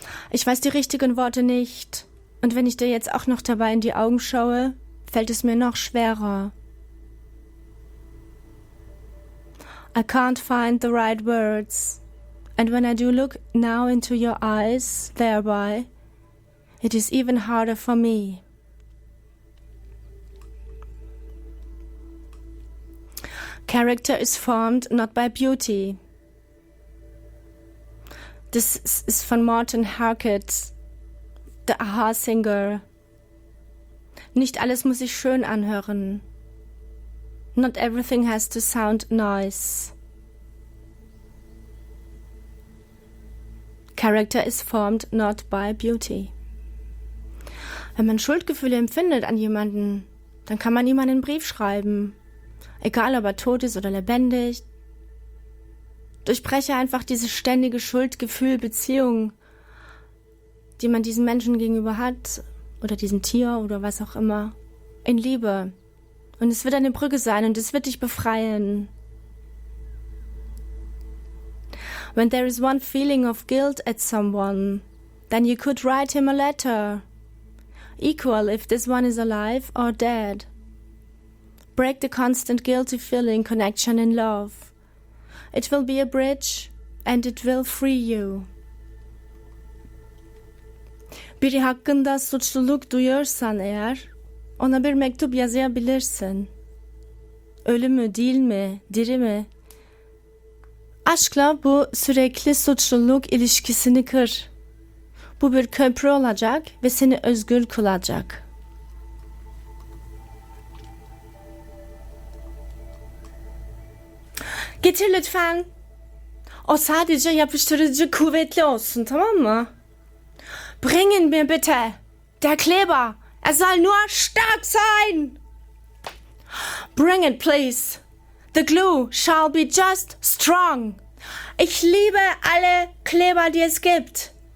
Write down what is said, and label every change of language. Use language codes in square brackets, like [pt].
[de] Ich weiß die richtigen Worte nicht. Und wenn ich dir jetzt auch noch dabei in die Augen schaue, fällt es mir noch schwerer. [en] I can't find the right words. And when I do look now into your eyes, thereby, it is even harder for me. Character is formed not by beauty. This is von Morten Harkett, the Aha singer. [de] Nicht alles muss sich schön anhören. [en] Not everything has to sound nice. Character is formed not by beauty. [de] Wenn man Schuldgefühle empfindet an jemanden, dann kann man ihm einen Brief schreiben. Egal, ob er tot ist oder lebendig. Durchbreche einfach diese ständige Schuldgefühl-Beziehung, die man diesem Menschen gegenüber hat, oder diesem Tier oder was auch immer, in Liebe. Und es wird eine Brücke sein und es wird dich befreien. [en] When there is one feeling of guilt at someone, then you could write him a letter. Equal if this one is alive or dead. Break the constant guilty feeling connection in love. It will be a bridge and it will free you. [tr] Biri hakkında suçluluk duyuyorsan eğer, ona bir mektup yazabilirsin. Ölü mü, değil mi, diri mi? Aşkla bu sürekli suçluluk ilişkisini kır. Bu bir köprü olacak ve seni özgür kılacak. Getir lütfen. O sadece yapıştırıcı kuvvetli olsun, tamam mı? [de] Bringen mir bitte der Kleber. Er soll nur stark sein. [en] Bring it, please. The glue shall be just strong. [de] Ich liebe alle Kleber, die es gibt.